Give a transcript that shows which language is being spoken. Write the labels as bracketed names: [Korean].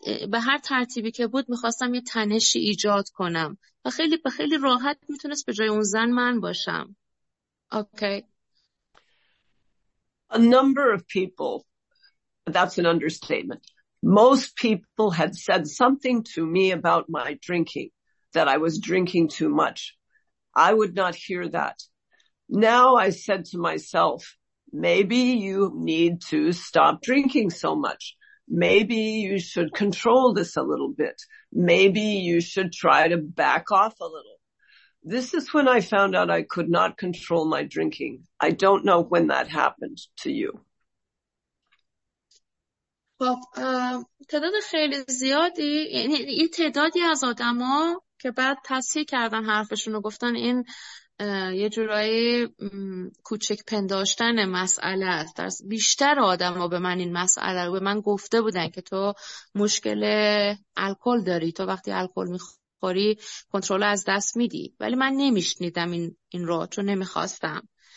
[Persian] به هر ترتیبی که بود می خواستم یه تنشی ایجاد کنم. و خیلی به خیلی راحت می تونست به جای اون زن من باشم. [English] Okay. A number of people, that's an understatement. Most people had said something to me about my drinking, that I was drinking too much. I would not hear that. Now I said to myself, maybe you need to stop drinking so much. Maybe you should control this a little bit. Maybe you should try to back off a little. This is when I found out I could not control my drinking. I don't know when that happened to you. [Persian] تعداد خیلی زیادی، یعنی این تعدادی از آدم‌ها که بعد تصحیح کردن حرفشون رو، گفتن این یه جورایی کوچک پنداشتن مسئله است. بیشتر آدم ها به من این مسئله رو به من گفته بودن که تو مشکل الکل داری، تو وقتی الکل میخوری کنترل از دست میدی، ولی من نمیشنیدم این را چون نمیخواستم.